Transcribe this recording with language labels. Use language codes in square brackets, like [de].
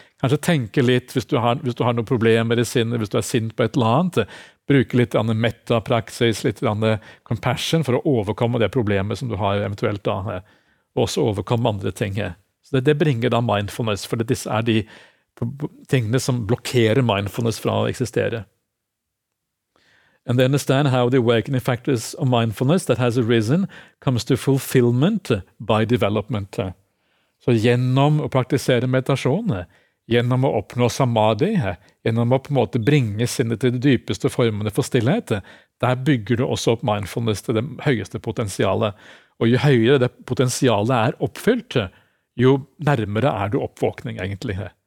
[no] Kanskje tenke litt, hvis du har noen problemer i sinnet, hvis du sint på et eller annet, bruke litt metta-praksis, litt compassion for å overkomme det problemet som du har eventuelt. Og også overkomme andre ting. Så det bringer da mindfulness, for disse de tingene som blokkerer mindfulness fra å eksistere. [en] And they understand how the awakening factors of mindfulness that has arisen comes to fulfillment by development. [no] Så gjennom å praktisere meditasjon, gjennom å oppnå samadhi, gjennom å på en måte bringe sinnet til de dypeste formene for stillhet, der bygger du også opp mindfulness til det høyeste potensialet. Og jo høyere det potensialet oppfylt, jo nærmere du oppvåkning egentlig.